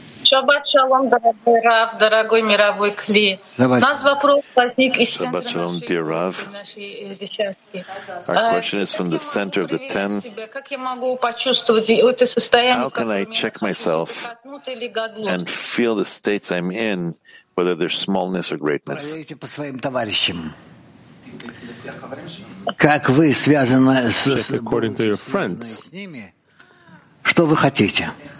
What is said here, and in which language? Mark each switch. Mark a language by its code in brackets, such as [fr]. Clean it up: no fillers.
[ru] Шаббат шалом, дорогой Рав, дорогой мировой Кли. Давайте. У нас вопрос возник из Шаббат центра шалом, нашей, нашей десятки. [en] Our question is from the center of the ten. [ru] Как я могу почувствовать это состояние? [en] How can I check myself and feel the states I'm in, whether they're smallness or greatness? [ru] Проверите по своим товарищам. Как вы связаны с... [en] According to your friends. [ru] Что вы хотите?